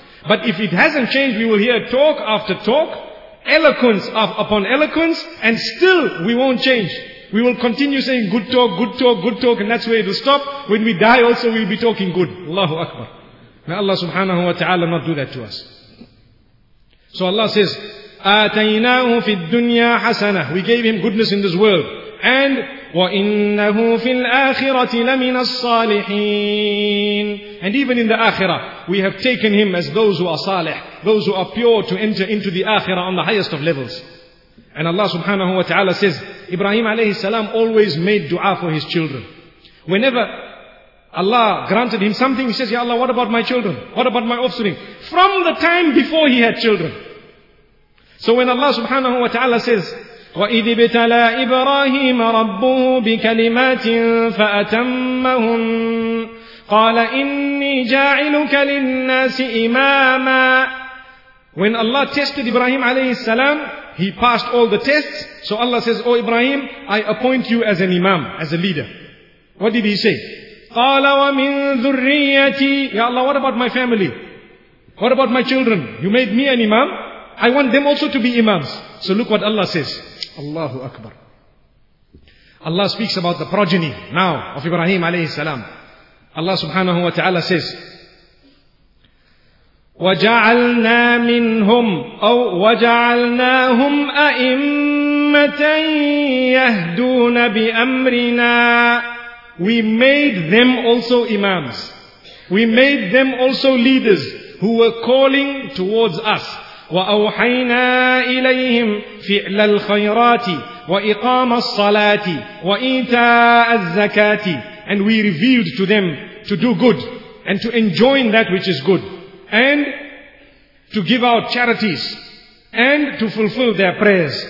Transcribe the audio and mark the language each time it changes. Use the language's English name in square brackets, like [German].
[English] But if it hasn't changed, we will hear talk after talk, eloquence upon eloquence, and still we won't change. We will continue saying good talk, good talk, good talk, and that's where it will stop. When we die also, we'll be talking good. Allahu Akbar. May Allah subhanahu wa ta'ala not do that to us. So Allah says, [Arabic] "Atainahu fi dunya hasana." [English] We gave him goodness in this world. [Arabic] And, وَإِنَّهُ فِي الْآخِرَةِ لَمِنَ الصَّالِحِينَ. [English] And even in the akhirah, we have taken him as those who are salih, those who are pure to enter into the akhirah on the highest of levels. And Allah subhanahu wa ta'ala says, Ibrahim alayhi salam always made dua for his children. Whenever Allah granted him something, he says, "Ya Allah, what about my children? What about my offspring?" From the time before he had children. So when Allah subhanahu wa ta'ala says, [Arabic] وَإِذِ بِتَلَى إِبْرَاهِيمَ رَبُّهُ بِكَلِمَاتٍ فَأَتَمَّهُمْ قَالَ إِنِّي جَاعِلُكَ لِلنَّاسِ إِمَامًا. [English] When Allah tested Ibrahim alayhi salam, he passed all the tests. So Allah says, "Oh Ibrahim, I appoint you as an imam, as a leader." What did he say? [Arabic] قَالَ وَمِن ذُرِّيَّتِي. [English] Ya Allah, what about my family? What about my children? You made me an imam. I want them also to be imams. So look what Allah says. Allahu Akbar. Allah speaks about the progeny now of Ibrahim alayhi salam. Allah subhanahu wa ta'ala says, [Arabic] وَجَعَلْنَا مِنْهُمْ أَوْ وَجَعَلْنَاهُمْ أَئِمَّةً يَهْدُونَ بِأَمْرِنَا. [English] We made them also imams. We made them also leaders who were calling towards us. [Arabic] وَأَوْحَيْنَا إِلَيْهِمْ فِعْلَ الْخَيْرَاتِ وَإِقَامَ الصَّلَاةِ وَإِيتَاءَ الزَّكَاةِ. [English] And we revealed to them to do good and to enjoin that which is good, and to give out charities, and to fulfill their prayers.